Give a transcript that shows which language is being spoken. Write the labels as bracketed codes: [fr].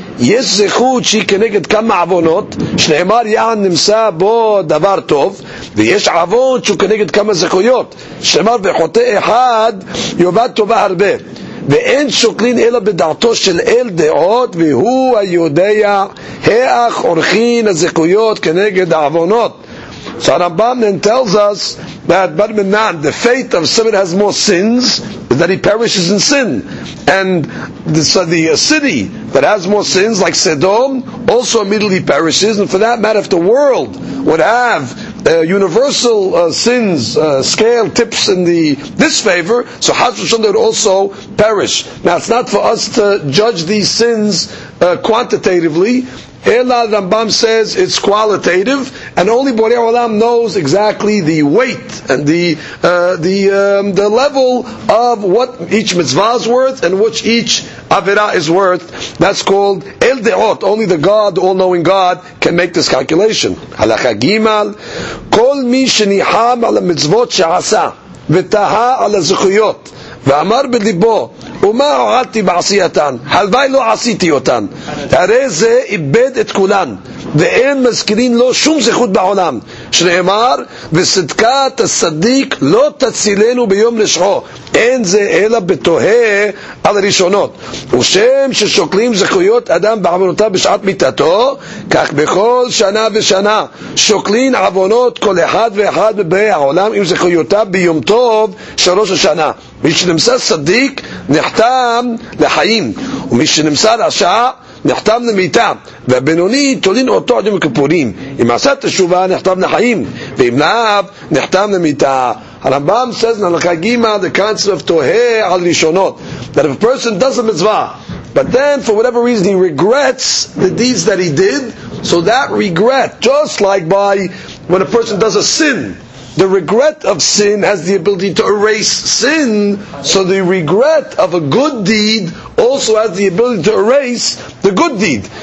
[he] יש זכות שהיא כנגד כמה עוונות, שנאמר יען נמצא בו דבר טוב, ויש עוון שהוא כנגד כמה זכויות, שנאמר וחוטא אחד יאבד טובה הרבה. ואין שוקלין אלא בדעתו של אל דעות, והוא היודע האח עורכין הזכויות כנגד העוונות. [en] So Rambam then tells us that Bar Minan, the fate of someone has more sins, is that he perishes in sin. And the city that has more sins, like Sedom, also immediately perishes. And for that matter, if the world would have universal sins, scale tips in the disfavor, so Chas v'Shalom would also perish. Now it's not for us to judge these sins quantitatively. Ela Rambam says it's qualitative, and only Borei Olam knows exactly the weight and the level of what each mitzvah is worth and which each avera is worth. That's called El Deot. Only the God, the all-knowing God, can make this calculation. [he] Halacha Gimal, kol mi shenicham al mitzvot she'asa v'taha al zechuyot ואמר בליבו, ומה הועלתי בעשייתן? הלוואי לא עשיתי אותן. הרי זה איבד את כולן, ואין מזכירים לו שום זכות בעולם. שנאמר, וסדקת הסדיק לא תצילנו ביום לשחו. אין זה אלא בתוהה על הראשונות. ושם ששוקלים זכויות אדם בעוונותיו בשעת מיטתו, כך בכל שנה ושנה שוקלים עוונות כל אחד ואחד מבני העולם עם זכויותיו ביום טוב שלוש השנה. מי שנמצא צדיק נחתם לחיים, ומי שנמצא רשע נחתם למיתה, והבינוני תולין אותו עד יום הכיפורים. אם עשה תשובה נחתם לחיים, ואם לאו נחתם למיתה. [en] הרמב״ם says, [he] נלכה גימה, [en] the concept of [he] תוהה על ראשונות, [en] that if a person does a mitzvah, but then for whatever reason he regrets the deeds that he did, so that regret, just like by when a person does a sin, the regret of sin has the ability to erase sin, so the regret of a good deed also has the ability to erase the good deed.